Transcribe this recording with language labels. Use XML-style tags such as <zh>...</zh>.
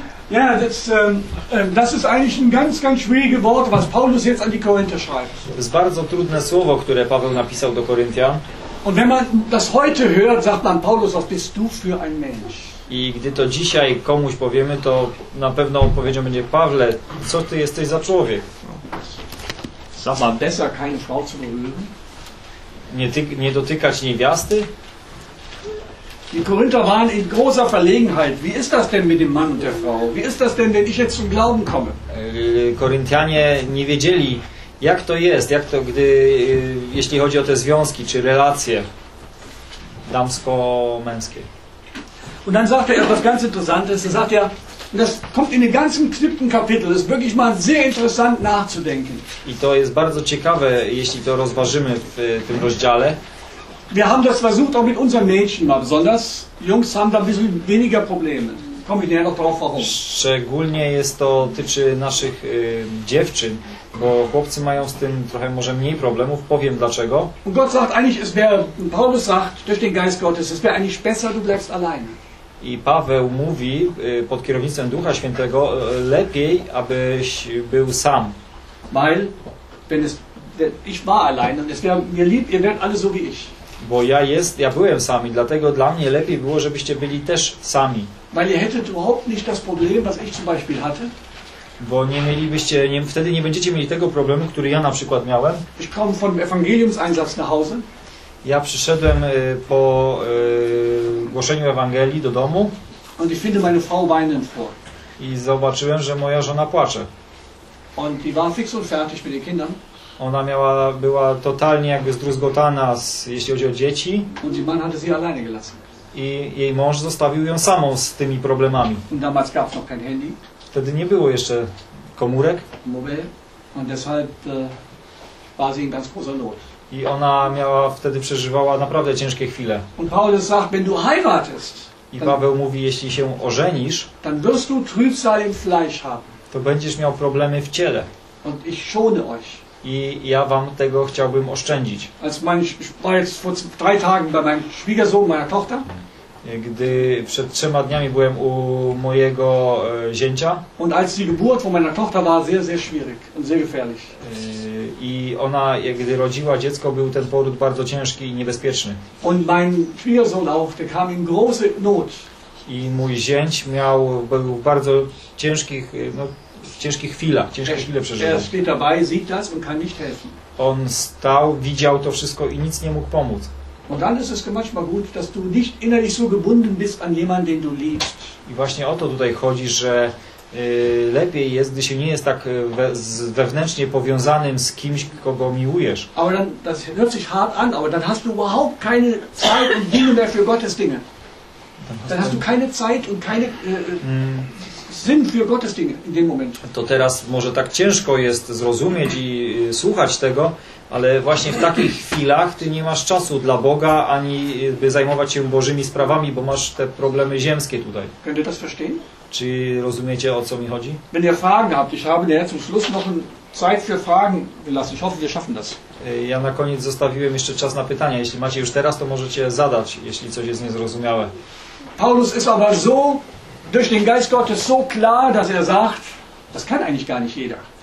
<en>Yeah, that's</en> <de>das ist eigentlich ein ganz, ganz schwieriges Wort, was Paulus jetzt an die Korinther schreibt.</de> <pl>To jest bardzo trudne słowo, które Paweł napisał do Koryntian.</pl> <de>Und wenn man das heute hört, sagt man Paulus, was bist du für ein Mensch?</de> <pl>I gdy to dzisiaj komuś powiemy, to na pewno odpowiedzią będzie: Pawle, co ty jesteś za człowiek?</pl> <de>Sag mal, besser keine Frau zu berühren.</de> <pl>Nie dotykać niewiasty?</pl> <de>Die Korinther waren in großer Verlegenheit. Wie ist das denn mit dem Mann und der Frau? Wie ist das denn, wenn ich jetzt zum Glauben komme?</de> <pl>Koryntianie nie wiedzieli, jak to jest, jak to, gdy, jeśli chodzi o te związki czy relacje damsko-męskie.</pl> <de>Und dann sagt er etwas ganz Interessantes. Er sagt ja, das kommt in den ganzen knippten Kapitel. Das ist wirklich mal sehr interessant nachzudenken.</de> <pl>I to jest bardzo ciekawe, jeśli to rozważymy w tym rozdziale.</pl> <de>Wir haben das versucht auch mit unseren Mädchen mal. Besonders Jungs haben da ein bisschen weniger Probleme. Komm ich näher noch drauf, warum?</de> <pl>Szczególnie jest to tyczy naszych dziewczyn, bo chłopcy mają z tym trochę może mniej problemów. Powiem dlaczego.</pl> <de>Und Gott sagt eigentlich, es wäre, Paulus sagt, durch den Geist Gottes, es wäre eigentlich besser, du bleibst alleine.</de> <pl>I Paweł mówi pod kierownictwem Ducha Świętego, lepiej, abyś był sam.</pl> <de>Weil, wenn es, ich war allein und es wäre mir lieb, ihr wärt alle so wie ich.</de> <pl>Bo ja byłem sam i dlatego dla mnie lepiej było, żebyście byli też sami.</pl> <de>Weil ihr hättet überhaupt nicht das Problem, was ich zum Beispiel hatte.</de> <pl>Bo nie mielibyście, nie, wtedy nie będziecie mieli tego problemu, który ja na przykład miałem.</pl> <de>Ich komme von Evangeliumseinsatz nach Hause.</de> <pl>Ja przyszedłem po głoszeniu Ewangelii do domu</pl> <de>und ich finde meine Frau weinen vor.</de> <pl>I zobaczyłem, że moja żona płacze.</pl> <de>Und die war fix und fertig mit den Kindern.</de> <pl>Ona była totalnie jakby zdruzgotana, jeśli chodzi o dzieci.</pl> <de>Und die Mann hatte sie alleine gelassen.</de> <pl>I jej mąż zostawił ją samą z tymi problemami.</pl> <de>Und damals gab's noch kein Handy.</de> <pl>Wtedy nie było jeszcze komórek.</pl> <de>Mobil. Und deshalb war sie in ganz großer Not.</de> <pl>I ona miała wtedy przeżywała naprawdę ciężkie chwile.</pl> <de>Und Paulus sagt, wenn du heiratest,</de> <pl>i Paweł mówi, jeśli się ożenisz,</pl> <de>dann wirst du Trübsal im Fleisch haben.</de> <pl>To będziesz miał problemy w ciele.</pl> <de>Und ich schone euch.</de> <pl>I ja wam tego chciałbym oszczędzić.</pl> <de>Als mein, ich war jetzt vor drei Tagen bei meinem Schwiegersohn, meiner Tochter.</de> <pl>Gdy przed trzema dniami byłem u mojego zięcia.</pl> <de>Und als die Geburt von meiner Tochter war sehr, sehr schwierig und sehr gefährlich.</de> <pl>I ona, gdy rodziła dziecko, był ten poród bardzo ciężki i niebezpieczny.</pl> <de>Und mein Schwiegersohn auch, der kam in große Not.</de> <pl>I mój zięć miał, był w bardzo ciężkich, no, w ciężkich chwilach, ciężkie chwile przeżywał.</pl> <de>Er steht dabei, sieht das und kann nicht helfen.</de> <pl>On stał, widział to wszystko i nic nie mógł pomóc.</pl> <de>Und dann ist es manchmal gut, dass du nicht innerlich so gebunden bist an jemanden, den du liebst.</de> <pl>I właśnie o to tutaj chodzi, że lepiej jest, gdy się nie jest tak wewnętrznie powiązanym z kimś, kogo miłujesz.</pl> <de>Aber dann, das hört sich hart an, aber dann hast du überhaupt keine Zeit und Dinge mehr für Gottes Dinge. Dann hast du keine Zeit und keine Sinn für Gottes Dinge in dem Moment.</de> <pl>To teraz może tak ciężko jest zrozumieć i słuchać tego, ale właśnie w takich chwilach ty nie masz czasu dla Boga, ani by zajmować się Bożymi sprawami, bo masz te problemy ziemskie tutaj.</pl> <de>Könnt ihr das verstehen?</de> <pl>Czy rozumiecie, o co mi chodzi?</pl> <de>Wenn ihr Fragen habt, ich habe dir zum Schluss noch Zeit für Fragen gelassen. Ich hoffe, wir schaffen das.</de> <pl>Ja na koniec zostawiłem jeszcze czas na pytania. Jeśli macie już teraz, to możecie zadać, jeśli coś jest niezrozumiałe.</pl> <de>Paulus ist aber so, durch den Geist Gottes so klar, dass er sagt, das kann eigentlich gar nicht jeder.</de>